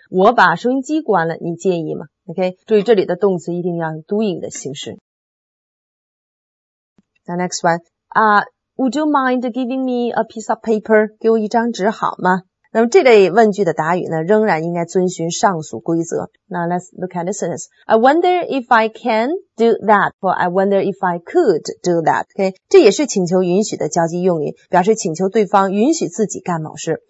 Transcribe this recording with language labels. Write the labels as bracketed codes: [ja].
[zh] 我把收音机关了你介意吗 OK 注意这里的动词一定要 doing 的形式 [en] The next one, would you mind giving me a piece of paper? [zh] 给我一张纸好吗？那么这类问句的答语呢，仍然应该遵循上述规则。 [en] Now let's look at the sentence. I wonder if I can do that, or I wonder if I could do that. [zh] Okay, 这也是请求允许的交际用语，表示请求对方允许自己干某事。